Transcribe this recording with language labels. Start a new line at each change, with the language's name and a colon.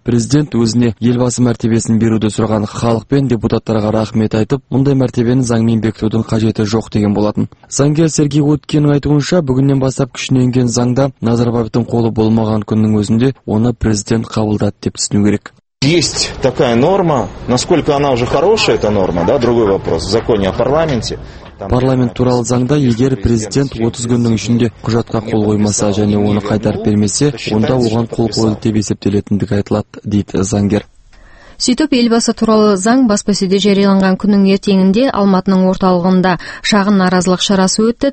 Kazakh: Президент өзіне елбасы мәртебесін беруді сұраған халық пен депутаттарға рахмет айтып, мұндай мәртебені заңмен бекітудің қажеті жоқ деген болатын. Заңгер Сергей Уткиннің айтуынша, бүгіннен бастап күшіне енген заңда Назарбаевтың қолы болмаған күннің өзінде оны президент қабылдады деп түсіну керек.
Russian: Есть такая норма, насколько она уже хорошая, эта норма, да, другой вопрос, в законе о парламенте.
Kazakh: Парламент туралы заңда егер президент 30 күннің ішінде құжатқа қол қоймаса және оны қайтарып бермесе, онда оған қол қойды деп есептелетіндігі айтылады, дейді заңгер. Сөйтіп елбасы туралы заң баспасөзде жарияланған күннің ертеңінде Алматының орталығында шағын наразылық шарасы өтті.